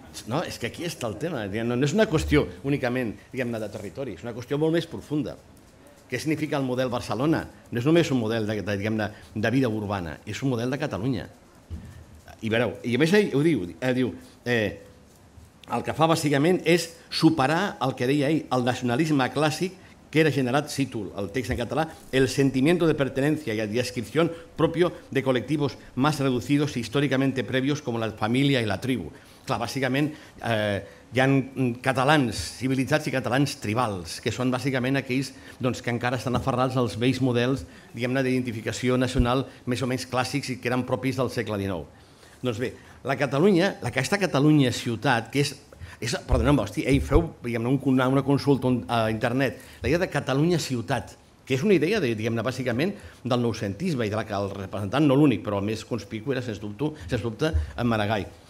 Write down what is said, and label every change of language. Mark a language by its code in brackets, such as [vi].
[ca] No, és que aquí està el tema, no és una qüestió únicament, diguem-ne, de territori, és una qüestió molt més profunda. Què significa el model Barcelona? No és només un model de vida urbana, és un model de Catalunya. I veureu, i a més ell ho diu, el que fa bàsicament és superar el que deia ell, el nacionalisme clàssic que era generat, cito el text en català, [es] el sentimiento de pertenencia y adscripción propio de colectivos más reducidos e históricamente previos como la familia y la tribu. [ca] Clar, bàsicament, hi ha catalans civilitzats i catalans tribals, que són bàsicament aquells doncs, que encara estan aferrats als vells models d'identificació nacional més o menys clàssics i que eren propis del segle XIX. Doncs bé, la Catalunya, aquesta Catalunya ciutat, que és perdoneu-me, hòstia, ei, feu una consulta a internet, la idea de Catalunya ciutat, que és una idea de, bàsicament del noucentisme i de la que el representant, no l'únic, però el més conspicu era, sens dubte, en Maragall.